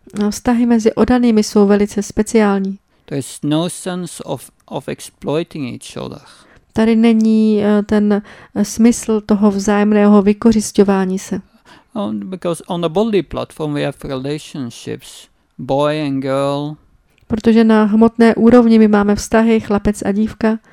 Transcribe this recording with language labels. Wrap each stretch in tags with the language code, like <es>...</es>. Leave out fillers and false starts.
<cs>A vztahy mezi oddanými jsou velice speciální.</cs> <en>There is no sense of exploiting each other.</en> <cs>Tady není ten smysl toho vzájemného vykořisťování se.</cs> <en>Because on the bodily platform we have relationships, boy and girl.</en> <cs>Protože na hmotné úrovni my máme vztahy chlapec a dívka.</cs>